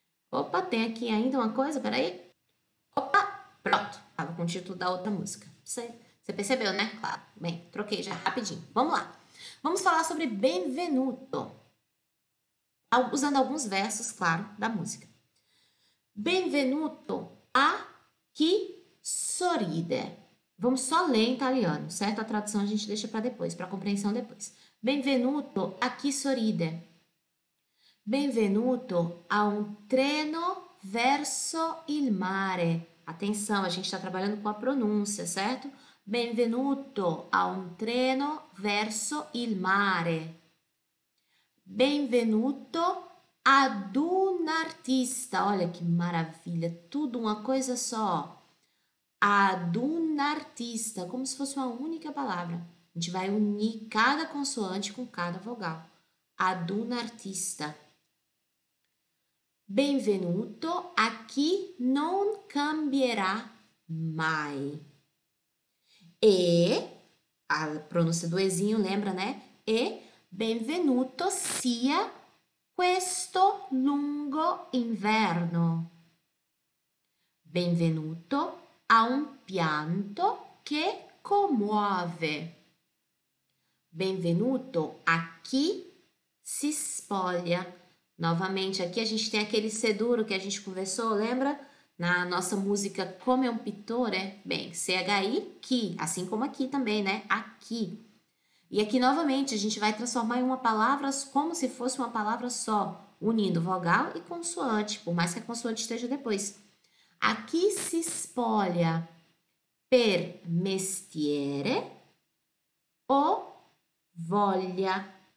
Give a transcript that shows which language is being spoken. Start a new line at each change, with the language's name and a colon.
Portuguese: Opa, tem aqui ainda uma coisa, peraí. Pronto. Tava com o título da outra música. Você percebeu, né? Claro. Bem, troquei já rapidinho. Vamos lá. Vamos falar sobre benvenuto. Usando alguns versos, claro, da música.
Italian: Benvenuto a chi sorride.
Portuguese: Vamos só ler em italiano, certo? A tradução a gente deixa para depois, para compreensão depois.
Italian: Benvenuto a chi sorride. Benvenuto a un treno verso il mare.
Portuguese: Atenção, a gente está trabalhando com a pronúncia, certo?
Italian: Benvenuto a un treno verso il mare. Benvenuto ad un artista.
Portuguese: Olha que maravilha, tudo uma coisa só.
Italian: Ad un artista,
Portuguese: como se fosse uma única palavra. A gente vai unir cada consoante com cada vogal.
Italian: Ad un artista. Benvenuto a chi non cambierà mai.
Portuguese: E, a pronúncia do Ezinho, lembra, né?
Italian: E benvenuto sia questo lungo inverno. Benvenuto a un pianto che commuove. Benvenuto a chi si spoglia.
Portuguese: Novamente, aqui a gente tem aquele seduro que a gente conversou, lembra? Na nossa música Come un pittore, bem, CHI, chi, assim como aqui também, né? Aqui. E aqui novamente a gente vai transformar em uma palavra como se fosse uma palavra só, unindo vogal e consoante, por mais que a consoante esteja depois. Aqui
Italian: se spoglia per mestiere o voglia.